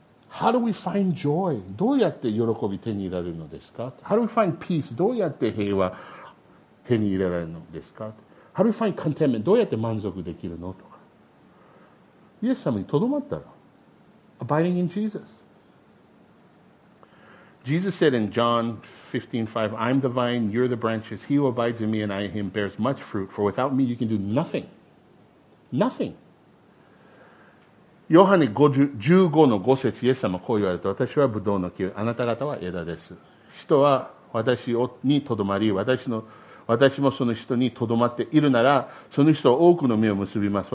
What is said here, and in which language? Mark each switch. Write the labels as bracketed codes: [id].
[en] How do we find joy? [ja] どうやって喜び手に入れられるのですか? [en] How do we find peace? [ja] どうやって平和手に入れられるのですか? [en] How do we find contentment? [ja] どうやって満足できるのとか。イエス様にとどまったら。 [en] Abiding in Jesus. Jesus said in John 15:5, I'm the vine, you're the branches. He who abides in me and I in him bears much fruit. For without me you can do nothing. Nothing. [ja] ヨハネ15の5節、イエス様こう言われた。私はブドウの木、あなた方は枝です。人は私にとどまり、私もその人にとどまっているならその人は多くの実を結びます。